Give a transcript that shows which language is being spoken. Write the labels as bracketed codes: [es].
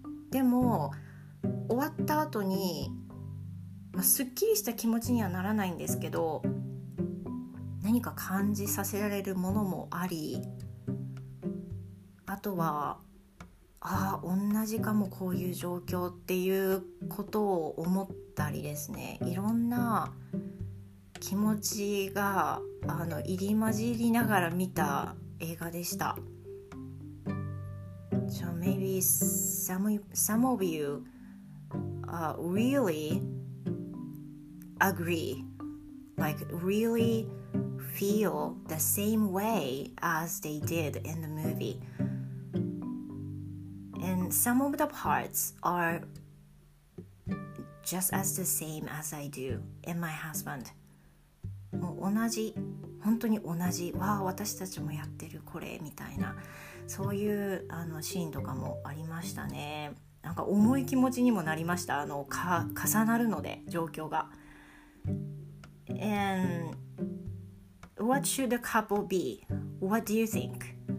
[ja] でも終わった後に、まあ、すっきりした気持ちにはならないんですけど、何か感じさせられるものもあり、あとはああ同じかもこういう状況っていうことを思ったりですね、いろんな気持ちが入り混じりながら見た映画でした。 [en] So maybe some of you really agree, like really feel the same way as they did in the movieAnd some of the parts are just as the same as I do and my husband. [ja] もう同じ、本当に同じ。わあ、私たちもやってるこれみたいな、そういうシーンとかもありましたね。なんか重い気持ちにもなりました。重なるので状況が。 [en] And what should the couple be? What do you think?